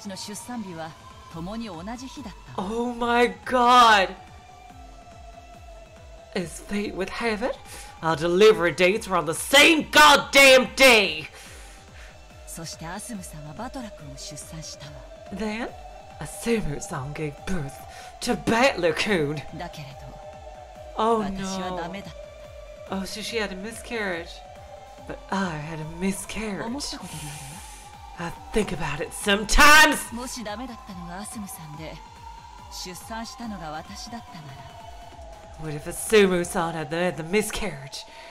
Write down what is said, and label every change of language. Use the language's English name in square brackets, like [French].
[Japanese] 運命的なことに、私たちの出産日は共に同じ日だった。 [English] Oh my god! As fate would have it, our delivery dates were on the same goddamn day! [Japanese] そしてアスムさんはバトラ君を出産したわ。 [English] Then, Asumu-san gave birth to Battler-kun! [Japanese] だけれど、私はダメだ。 [English] Oh, so she had a miscarriage. But I had a miscarriage. I think about it sometimes! What if Asumu-san had the miscarriage?